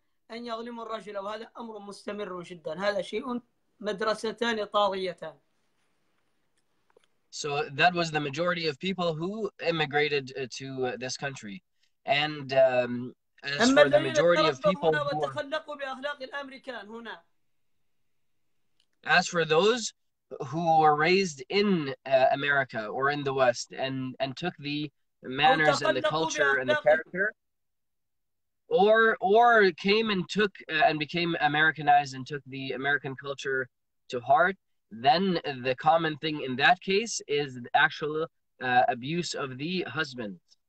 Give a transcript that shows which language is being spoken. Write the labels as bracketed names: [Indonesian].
[Arabic] أن يظلموا الرجل وهذا أمر مستمر جدا هذا شيء مدرستان طاغيتان. [English] So that was the majority of people who immigrated to this country. And as for the majority of people [Arabic] وتخلقوا بأخلاق الأمريكان هنا. [English] As for those who were raised in America or in the West and took the manners and the culture and the character or came and took and became Americanized and took the American culture to heart, then the common thing in that case is the actual abuse of the husband.